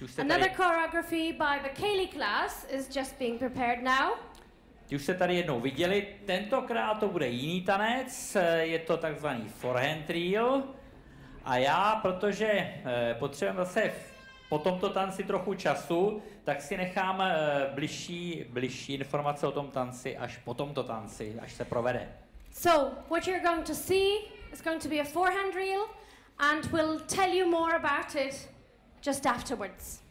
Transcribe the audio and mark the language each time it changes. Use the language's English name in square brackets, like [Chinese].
[English] Another choreography by the Ceilí class is just being prepared now. [Czech] Ty už se tady jednou viděli, tentokrát to bude jiný tanec, je to takzvaný forehand reel. A já, protože potřebujeme zase po tomto tanci trochu času, tak si nechám bližší informace o tom tanci až po tomto tanci, až se provede. [English] So, what you're going to see is going to be a forehand reel and we'll tell you more about it just afterwards.